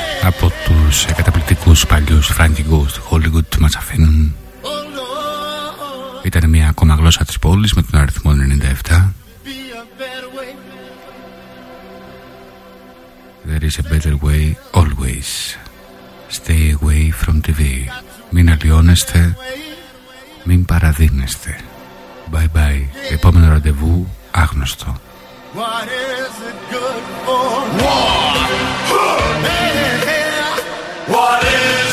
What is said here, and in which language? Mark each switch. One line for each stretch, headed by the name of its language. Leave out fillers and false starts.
Greek: από τους καταπληκτικούς παλιούς Frankie Ghost Hollywood του Ματσαφίνου. Ήταν μια ακόμα γλώσσα της πόλης με τον αριθμό 97.
English: There is a better way always. Stay away from TV.
Greek: Μην αλλοιώνεστε, μην παραδίνεστε.
English: Bye bye.
Greek: Επόμενο ραντεβού άγνωστο.
English: What is it good for? War. Hey, hey, hey. What is